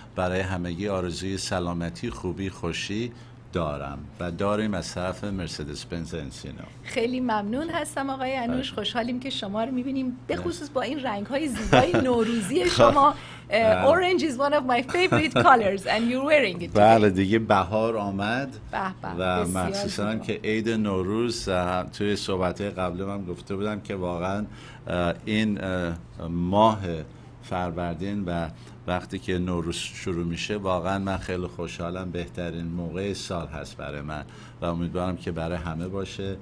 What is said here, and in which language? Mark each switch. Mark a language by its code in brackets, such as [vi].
[fa] برای همگی آرزوی سلامتی، خوبی، خوشی دارم و داریم از طرف مرسدس بنز انسینو. خیلی ممنون هستم آقای انوش، خوشحالیم که شما رو میبینیم، به خصوص با این رنگ‌های زیبای نوروزی شما. [en] Orange is one of my favorite colors and you're wearing it today. [fa] بله دیگه بهار آمد. به به. و مخصوصا که عید نوروز، توی صحبت‌های قبلی من گفته بودم که واقعا این ماه فروردین و وقتی که نوروز شروع میشه واقعا من خیلی خوشحالم، بهترین موقع سال هست برای من و امیدوارم که برای همه باشه.